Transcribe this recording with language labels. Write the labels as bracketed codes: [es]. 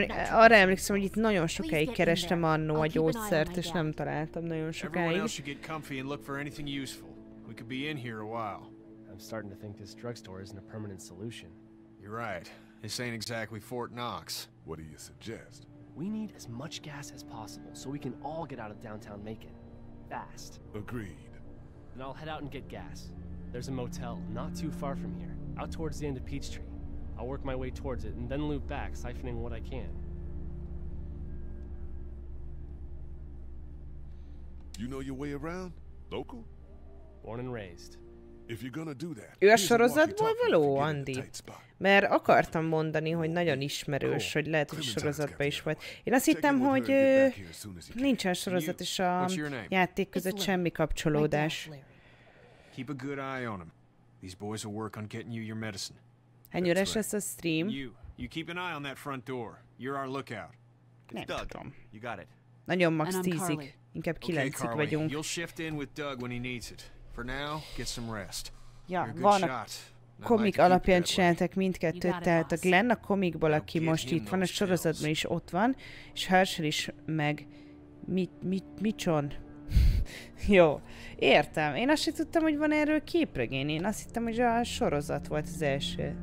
[hu] Arra emlékszem, hogy itt nagyon sokáig kerestem annó a gyógyszert, és nem találtam nagyon sokáig. [en] We could be in here a while. I'm starting to think this drugstore isn't a permanent solution. You're right. This ain't exactly Fort Knox. What do you suggest? We need as much gas as possible so we can all get out of downtown Macon. Fast. Agreed. Then I'll head out and get gas. There's a motel not too far from here, out towards the end of Peachtree. I'll work my way towards it and then loop back, siphoning what I can. You know your way around? Local? Born and raised. If you're gonna do that, [hu] ő a sorozatból való, Andi? Mert akartam mondani, hogy nagyon ismerős, hogy lehet, hogy sorozatban is volt. Én azt hittem, hogy nincsen sorozat és a játék között semmi kapcsolódás. [en] Keep a good eye on him. These boys will work on getting you your medicine. [hu] Ennyire lesz a stream. [en] You keep an eye on that front door. You're our lookout. [hu] Nem tudom. [en] You got it. [hu] Nagyon max 10-ig. Inkább 9-ig vagyunk. [en] You'll shift in with Doug when he needs it. For now, get some rest. Ja, you're a good shot, [hu] komik alapján csináltak mindkettőt, tehát a Glenn a komikból, aki most itt van, a sorozatban is ott van, és Herschel is meg... Micson? Jó, értem. Én azt sem tudtam, hogy van erről képregény. Én azt hittem, hogy a sorozat volt az első.